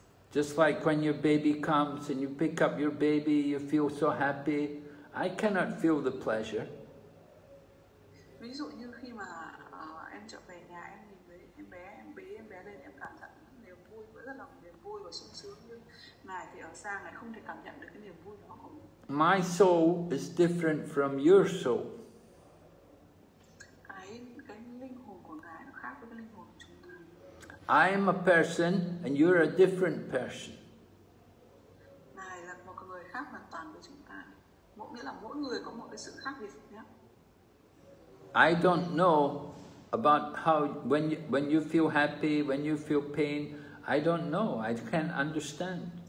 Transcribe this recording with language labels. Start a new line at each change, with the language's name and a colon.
English: Just like when your baby comes and you pick up your baby, you feel so happy, I cannot feel the pleasure.
Vietnamese: Ví dụ như khi mà em trở về nhà em nhìn thấy em bé em bé lên em cảm nhận niềm vui với rất là niềm vui và sung sướng nhưng ngài thì ở xa ngài không thể cảm nhận được cái niềm vui đó của mình.
English: My soul is different from your soul.
Vietnamese: Cái linh hồn của ngài nó khác với cái linh hồn của chúng ta.
English: I am a person and you're a different person.
Vietnamese: Ngài là một người khác hoàn toàn với chúng ta. Mỗi nghĩa là mỗi người có một cái sự khác biệt.
English: I don't know about how, when you feel happy, when you feel pain, I don't know, I can't understand.